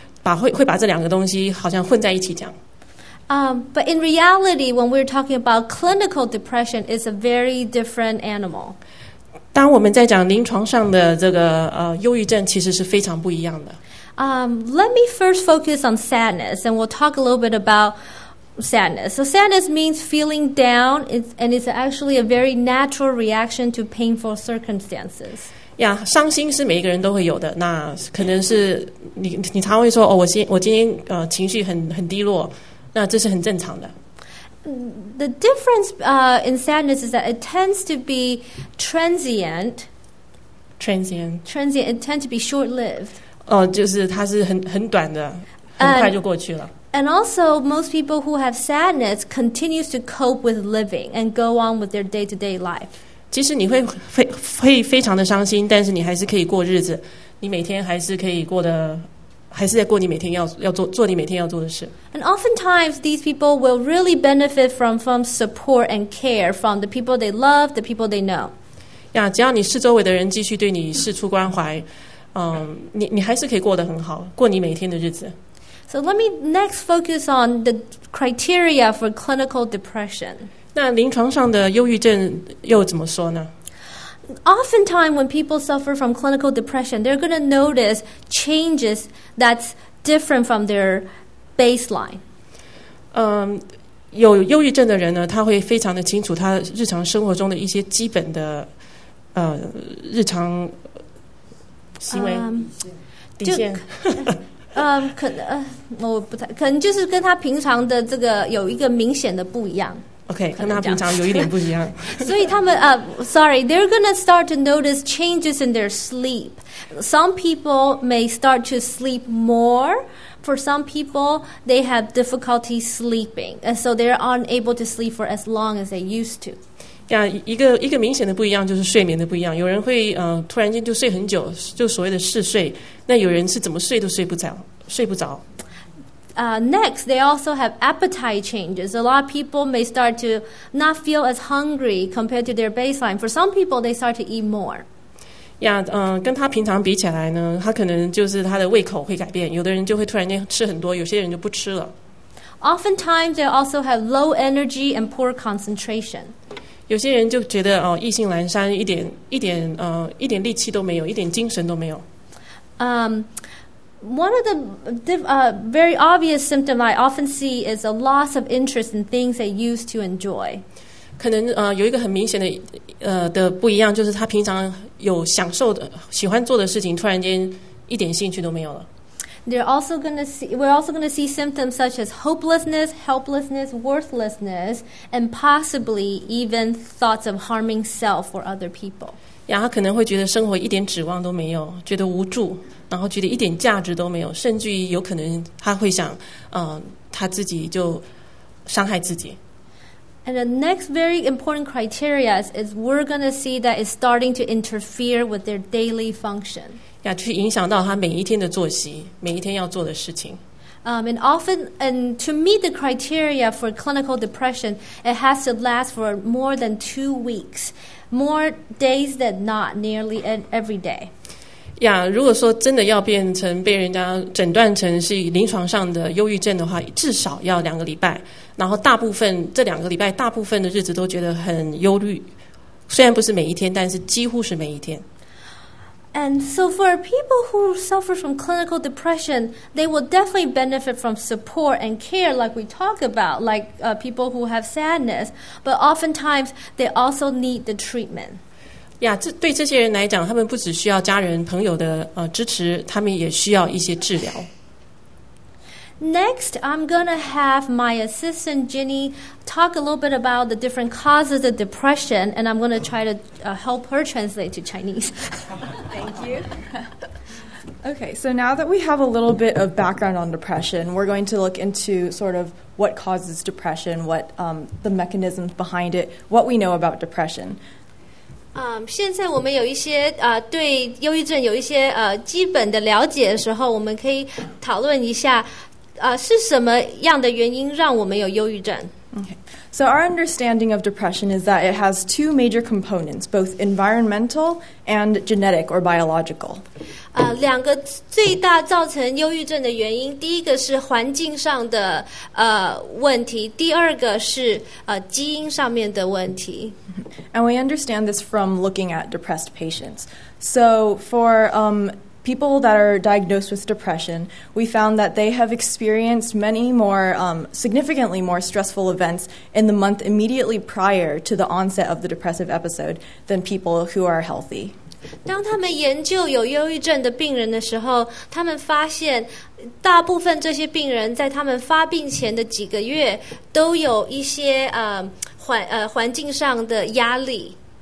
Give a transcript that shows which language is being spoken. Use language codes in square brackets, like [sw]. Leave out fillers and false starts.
[zh] 很多时候在我们每一天的日常对话里面，我们常常会说我感到伤心跟我感到忧虑，会把这两个东西好像混在一起讲。 [en] But in reality, when we're talking about clinical depression, it's a very different animal. [zh] 当我们在讲临床上的这个忧郁症，其实是非常不一样的。 [en] Let me first focus on sadness, and we'll talk a little bit about sadness. So sadness means feeling down, and it's actually a very natural reaction to painful circumstances. [zh] Yeah, 伤心是每一个人都会有的，那可能是你常会说，我今天情绪很低落，那这是很正常的。 [en] The difference in sadness is that it tends to be transient. Transient, it tends to be short-lived. [zh] 就是它是很短的，很快就过去了。 [en] And also, most people who have sadness continue to cope with living and go on with their day-to-day life. [zh] 即使你会非常的伤心，但是你还是可以过日子，你每天还是可以过的，还是在过你每天要做你每天要做的事。 [en] And oftentimes, these people will really benefit from support and care from the people they love, the people they know. [zh] 呀，只要你四周围的人继续对你释出关怀，你还是可以过得很好，过你每天的日子。 [en] So let me next focus on the criteria for clinical depression. [zh] 那临床上的忧郁症又怎么说呢？ [en] Oftentimes, when people suffer from clinical depression, they're going to notice changes that's different from their baseline. [zh] 有忧郁症的人呢，他会非常的清楚他日常生活中的一些基本的日常行为底线。可能就是跟他平常的这个有一个明显的不一样。 OK， 跟他平常有一点不一样。所以他们 [en] they're gonna start to notice changes in their sleep. Some people may start to sleep more. For some people, they have difficulty sleeping, and so they're unable to sleep for as long as they used to. [zh] Yeah, 一个明显的不一样就是睡眠的不一样。有人会突然间就睡很久，就所谓的嗜睡。那有人是怎么睡都睡不着。 [en] Next, they also have appetite changes. A lot of people may start to not feel as hungry compared to their baseline. For some people, they start to eat more. [zh] Yeah, 跟他平常比起来呢，他可能就是他的胃口会改变。有的人就会突然间吃很多，有些人就不吃了。 [en] Oftentimes, they also have low energy and poor concentration. [zh] 有些人就觉得意兴阑珊，一点力气都没有，一点精神都没有。 [en] One of the very obvious symptoms I often see is a loss of interest in things they used to enjoy. [zh] 可能有一个很明显的的不一样，就是他平常有享受的、喜欢做的事情，突然间一点兴趣都没有了。 [en] We're also going to see symptoms such as hopelessness, helplessness, worthlessness, and possibly even thoughts of harming self or other people. [zh] 呀，他可能会觉得生活一点指望都没有，觉得无助。然后觉得一点价值都没有，甚至于有可能他会想，他自己就伤害自己。 [en] And the next very important criteria is we're going to see that it's starting to interfere with their daily function. [zh] 呀，去影响到他每一天的作息，每一天要做的事情。 [en] And to meet the criteria for clinical depression, it has to last for more than 2 weeks, more days than not, nearly every day. [zh] Yeah, 如果说真的要变成被人家诊断成是临床上的忧郁症的话，至少要两个礼拜。然后大部分这两个礼拜，大部分的日子都觉得很忧郁，虽然不是每一天，但是几乎是每一天。 [en] And so for people who suffer from clinical depression, they will definitely benefit from support and care like we talk about, like people who have sadness. But oftentimes, they also need the treatment. [zh] 呀，对这些人来讲，他们不只需要家人朋友的支持，他们也需要一些治疗。 [en] Next, I'm gonna have my assistant Jenny talk a little bit about the different causes of depression, and I'm gonna try to help her translate to Chinese. Thank you. Okay, so now that we have a little bit of background on depression, we're going to look into sort of what causes depression, what the mechanisms behind it, what we know about depression. [zh] 现在我们有一些对忧郁症有一些基本的了解的时候，我们可以讨论一下是什么样的原因让我们有忧郁症。 [en] Okay. So our understanding of depression is that it has two major components, both environmental and genetic or biological. [zh] 两个最大造成忧郁症的原因，第一个是环境上的问题，第二个是基因上面的问题。 [en] And we understand this from looking at depressed patients. So for people that are diagnosed with depression, we found that they have experienced many more, significantly more stressful events in the month immediately prior to the onset of the depressive episode than people who are healthy. [zh] 当他们研究有忧郁症的病人的时候，他们发现大部分这些病人在他们发病前的几个月都有一些环境上的压力。